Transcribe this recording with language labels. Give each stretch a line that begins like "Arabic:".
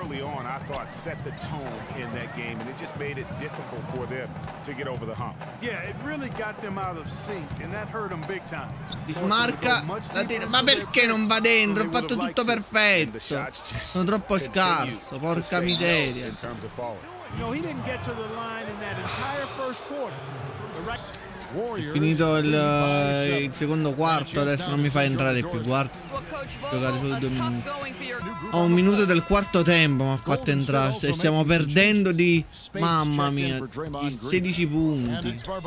English: early on, I thought, set the tone in that game, and it just made it difficult for them to get over the hump. Yeah, it really got them out of sync, and that hurt them big time.
Italian: Smarca, ma perché non va dentro? Ho fatto tutto perfetto. Sono troppo scarso, porca miseria.
English: No, he didn't get to the line in that entire first quarter.
Italian: È finito il secondo quarto, adesso non mi fa entrare più. Guarda, giocare solo due minuti. Ho un minuto del quarto tempo, mi ha fatto entrare. Se stiamo perdendo di, mamma mia, di 16 punti.